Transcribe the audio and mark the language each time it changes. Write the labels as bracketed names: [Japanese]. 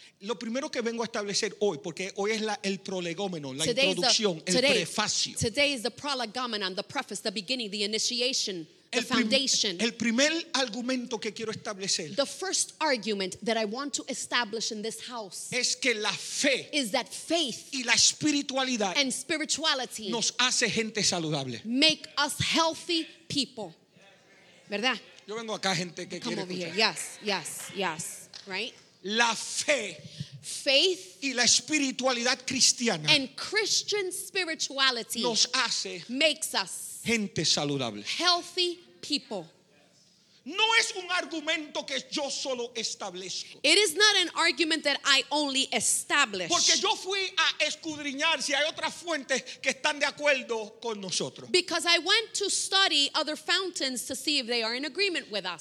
[Spanish] Lo primero que vengo a establecer hoy, porque hoy es el prolegómeno, la introducción, el prefacio. [English] Today is the prolegomenon, the preface, the beginning, the initiation, the foundation. [Spanish] El primer argumento que quiero establecer. [English] The first argument that I want to establish in this house. [Spanish] Es que la fe. [English] Is that faith. [Spanish] Y la espiritualidad. [English] And spirituality. [Spanish] Nos hace gente saludable. [English] Make us healthy people. [Spanish] ¿Verdad? Yo vengo acá, gente que quiere escuchar. [English] Yes. Right? [Spanish] La fe. [English] Faith. [Spanish] Y la espiritualidad cristiana. [English] And Christian spirituality. [Spanish] Nos hace. [English] Makes us. [Spanish] Gente saludable. [English] Healthy people. [Spanish] No es un argumento que yo solo establezco. [English] It is not an argument that I only establish. [Spanish] Porque yo fui a escudriñar si hay otras fuentes que están de acuerdo con nosotros. [English] Because I went to study other fountains to see if they are in agreement with us.